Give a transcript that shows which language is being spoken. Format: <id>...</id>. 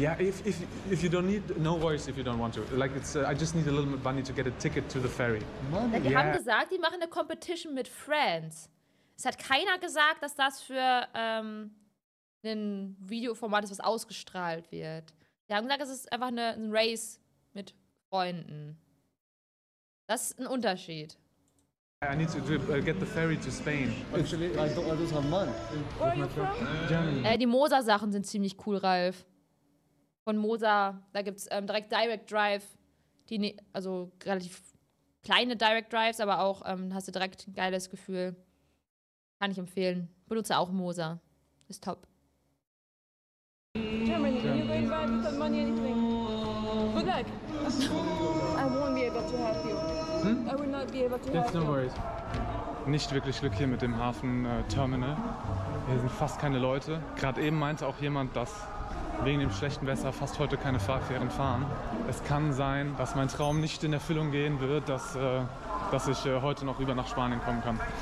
<en>Yeah, if you don't need, no worries if you don't want to. Like it's, I just need a little bit money to get a ticket to the ferry. Money?</en> <de>Die haben gesagt, die machen eine Competition mit Friends. Es hat keiner gesagt, dass das für ein Videoformat ist, was ausgestrahlt wird. Die haben gesagt, es ist einfach ein Race mit Freunden. Das ist ein Unterschied.</de> <en>I need to get the ferry to Spain. Actually, I don't have money. Where are you from? Germany.</en> <de>Die Moser-Sachen sind ziemlich cool, Ralf. Von Moser, da gibt's direkt Direct Drive, also relativ kleine Direct Drives, aber auch hast du direkt ein geiles Gefühl. Kann ich empfehlen. Benutze auch Moser. Ist top.</de> <en>Germany, can you go and buy me some money, anything? Good luck. I won't be able to help you. I will not be able to help you. No worries.</en> <de>Nicht wirklich Glück hier mit dem Hafen-Terminal. Hier sind fast keine Leute. Gerade eben meinte auch jemand, dass wegen dem schlechten Wetter fast heute keine Fahrfähren fahren. Es kann sein, dass mein Traum nicht in Erfüllung gehen wird, dass ich heute noch rüber nach Spanien kommen kann.</de>